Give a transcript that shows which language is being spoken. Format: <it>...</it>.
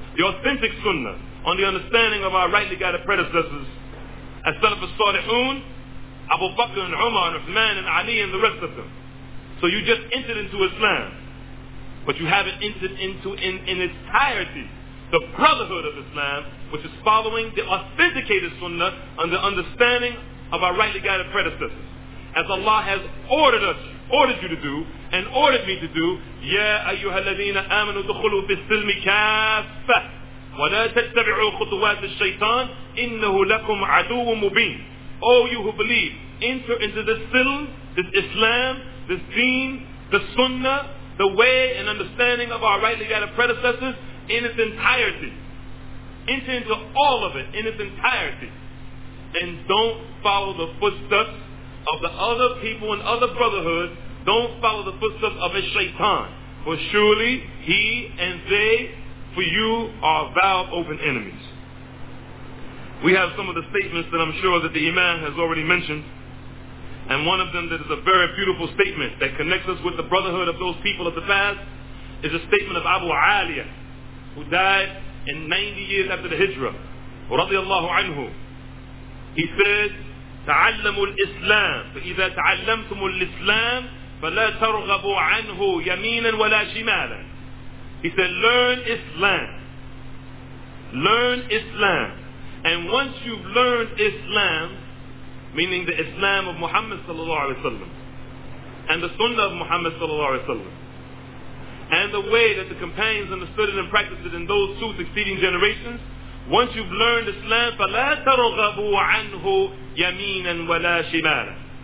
<en>The authentic sunnah. On the understanding of our rightly guided predecessors, As-Salaf As-Salihun, Abu Bakr and Umar and Uthman and Ali and the rest of them. So you just entered into Islam, but you haven't entered into in its entirety the brotherhood of Islam, which is following the authenticated sunnah on the understanding of our rightly guided predecessors. As Allah has ordered you to do,</en> <ar>and ordered me to do, يَا أَيُّهَا الَّذِينَ آمَنُوا دُخُلُوا فِي السِّلْمِ كَافَّةً وَلَا تَتَّبِعُوا خُطُوَاتِ الشَّيْطَانِ إِنَّهُ لَكُمْ عَدُوٌ مُبِينٌ.</ar> <en>O you who believe, enter into this silm, this Islam, this deen, the sunnah, the way and understanding of our rightly guided predecessors in its entirety. Enter into all of it in its entirety. And don't follow the footsteps of the other people and other brotherhoods. Don't follow the footsteps of a shaitan. For surely he and they, for you, are vowed open enemies. We have some of the statements that I'm sure that the Imam has already mentioned, and one of them that is a very beautiful statement that connects us with the brotherhood of those people of the past is a statement of Abu Aliya, who died in 90 years after the Hijra, radiallahu anhu. He said,</en> <ar>تعلموا الإسلام فإذا تعلمتم الإسلام فلا ترغبوا عنه يمينا ولا شمالا.</ar> <en>He said, learn Islam. Learn Islam. And once you've learned Islam, meaning the Islam of Muhammad sallallahu alayhi wa sallam, and the sunnah of Muhammad sallallahu alayhi wa sallam, and the way that the companions understood it and practiced it in those two succeeding generations, once you've learned Islam,</en> <ar>فَلَا تَرْغَبُوا عَنْهُ يَمِينًا وَلَا شِمَالًا.</ar>